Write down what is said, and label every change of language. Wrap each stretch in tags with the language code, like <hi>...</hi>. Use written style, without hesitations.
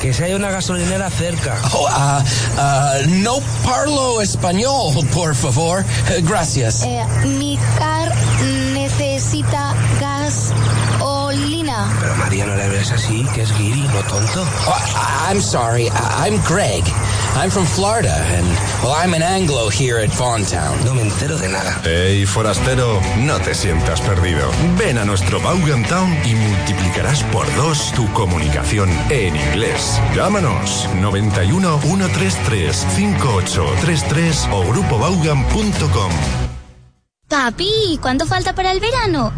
<es>Que si hay una gasolinera cerca. No parlo español, por favor. Gracias. Mi car necesita gasolina. Pero María, no le hables así, que es guiri, no tonto.</es> <en>I'm sorry, I'm Greg. I'm from Florida, and, well, I'm an Anglo here at Vaughan Town.</en> <es>No me entero de nada. Hey, forastero, no te sientas perdido. Ven a nuestro Vaughan Town y multiplicarás por dos tu comunicación en inglés. Llámanos 91-133-5833 o grupovaughan.com. Papi, ¿cuánto falta para el verano?</es>